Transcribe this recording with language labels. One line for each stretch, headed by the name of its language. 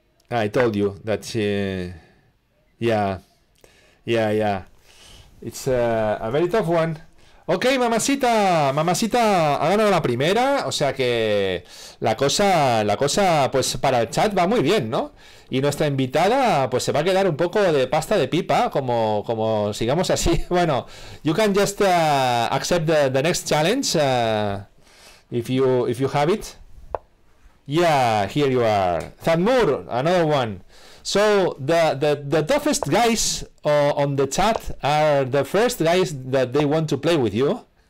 English: I told you that, it's a very tough one.
Spanish: Ok, mamacita ha ganado la primera, o sea que la cosa, pues para el chat va muy bien, ¿no? Y nuestra invitada, pues se va a quedar un poco de pasta de pipa, como sigamos así.
English: Bueno, you can just accept the next challenge if you have it. Yeah, here you are. Thanmur, another one. So the toughest guys on the chat are the first guys that they want to play with you.